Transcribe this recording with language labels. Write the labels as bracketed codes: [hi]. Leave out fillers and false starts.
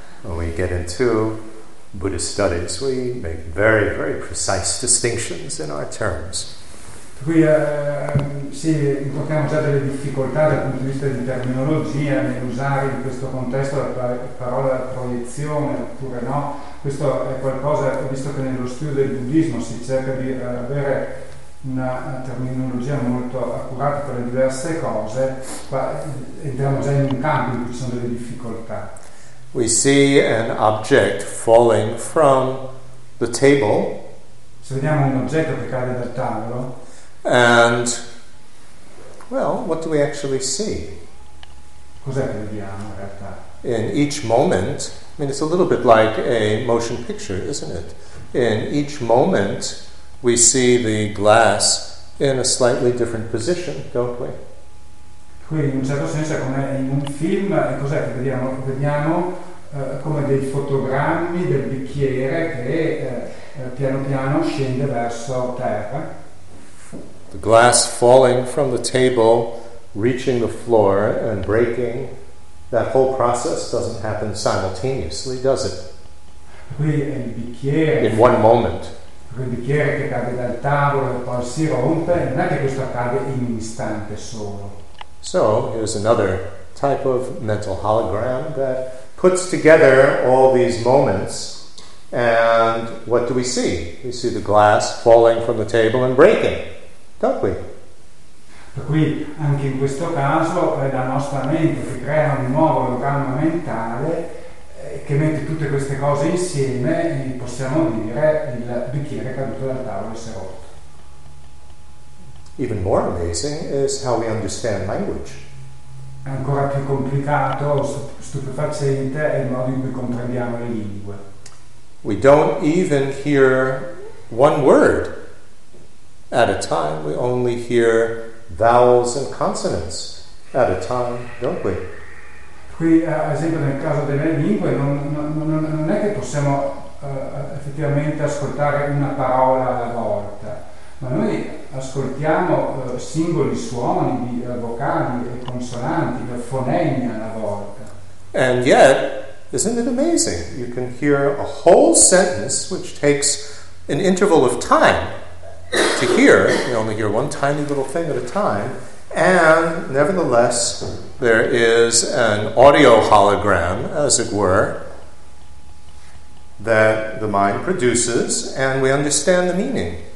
[en] When we get into Buddhist studies, we make very, very precise distinctions in our terms. [it] Qui sì, incontriamo già delle difficoltà dal punto di vista di terminologia nell'usare in questo contesto la parola proiezione oppure no. Questo è qualcosa, visto che nello studio del buddismo si cerca di avere una terminologia molto accurata per le diverse cose, qua entriamo già in un campo in cui ci sono delle difficoltà. [en] We see an object falling from the table. [it] Se vediamo un oggetto che cade dal tavolo. [en] And, well, what do we actually see? [it] Cos'è che vediamo in realtà? [en] In each moment, I mean, it's a little bit like a motion picture, isn't it? In each moment, we see the glass in a slightly different position, don't we? [it] Qui, in un certo senso, come in un film, cos'è che vediamo? Vediamo come dei fotogrammi del bicchiere che piano piano scende verso terra. [en] The glass falling from the table, reaching the floor and breaking, that whole process doesn't happen simultaneously, does it? [it] Qui è il bicchiere. [en] In one moment. [it] Il bicchiere che cade dal tavolo e poi si rompe, non è che questo accade in un istante solo. [en] So, here's another type of mental hologram that puts together all these moments. And what do we see? We see the glass falling from the table and breaking. Don't we? [it] Per cui anche in questo caso è la nostra mente che crea un nuovo organo mentale che mette tutte queste cose insieme e possiamo dire il bicchiere caduto dal tavolo e si è rotto. [en] Even more amazing is how we understand language. [it] È ancora più complicato, stupefacente è il modo in cui comprendiamo le lingue. [en] We don't even hear one word. At a time, we only hear vowels and consonants at a time, don't we? [it] Qui, ad esempio, nel caso delle lingue, non è che possiamo effettivamente ascoltare una parola alla volta, ma noi ascoltiamo singoli suoni di vocali e consonanti, di fonemi alla volta. [en] And yet, isn't it amazing? You can hear a whole sentence which takes an interval of time. To hear, you only hear one tiny little thing at a time, and nevertheless, there is an audio hologram, as it were, that the mind produces, and we understand the meaning.